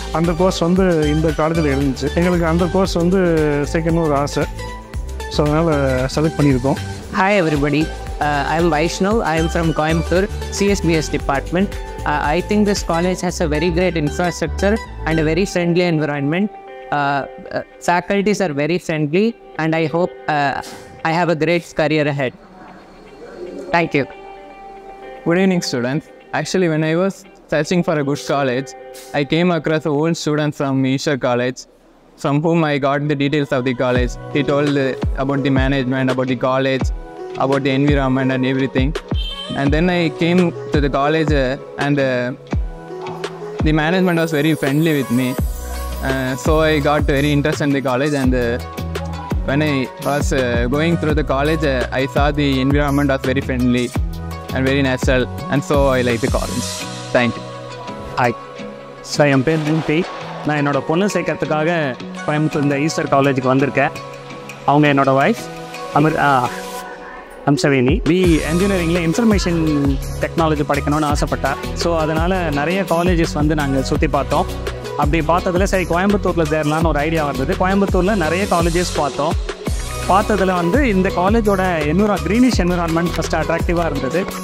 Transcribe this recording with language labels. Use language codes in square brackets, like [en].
[ta] அந்த கோர்ஸ் வந்து இந்த காலேஜில் இருந்துச்சு. எங்களுக்கு அந்த கோர்ஸ் வந்து சேர்க்கணும் ஒரு ஆசை. ஸோ அதனால் செலக்ட் பண்ணியிருக்கோம். [en] Hi everybody, I am Vaishnav. I am from Coimbatore CSBS department. I think this college has a very great infrastructure and a very friendly environment. Faculties are very friendly and I hope I have a great career ahead. Thank you. Good evening, students. Actually, when I was searching for a good college, I came across an old student from Eshwar College, from whom I got the details of the college. He told about the management, about the college, about the environment and everything. And then I came to the college and the management was very friendly with me. So I got very interested in the college, and when I was going through the college, I saw the environment was very friendly and very natural, and so I liked the college. Thank you. Hi. So I am Pen Rimpi. [ta] Na enoda ponnu seikkaradhukaga Coimbatore inda Eshwar college ku vandirken. Avanga enoda wife Amir Amsaveni. B என்ஜினியரிங்கில் information technology படிக்கணும்னு ஆசைப்பட்டா. So அதனால் நிறைய colleges வந்து நாங்கள் சுற்றி பார்த்தோம். அப்படி பார்த்ததில் சரி கோயம்புத்தூரில் சேரலான்னு ஒரு ஐடியா வந்தது. கோயம்புத்தூரில் நிறைய காலேஜஸ் பார்த்தோம். பார்த்ததில் வந்து இந்த காலேஜோட க்ரீனிஷ் என்விரான்மெண்ட் ஃபஸ்ட்டு அட்ராக்டிவாக இருந்தது.